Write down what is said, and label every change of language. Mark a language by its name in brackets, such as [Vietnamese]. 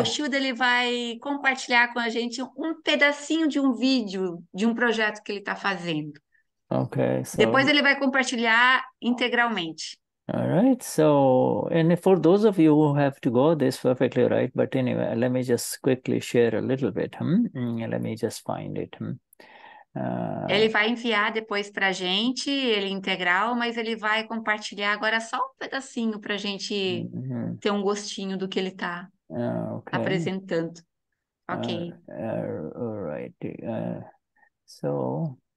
[Portuguese] O Shuddha, ele vai compartilhar com a gente um pedacinho de um vídeo de um projeto que ele está fazendo. Okay. So... depois ele vai compartilhar integralmente. [English] All right, so, and for those of you who have to go, this perfectly right, but anyway, let me just quickly share a little bit, let me just find it. [Portuguese] Ele vai enviar depois para a gente, ele integral, mas ele vai compartilhar agora só um pedacinho para a gente ter um gostinho do que ele está apresentando. Ok. [English] All right, so...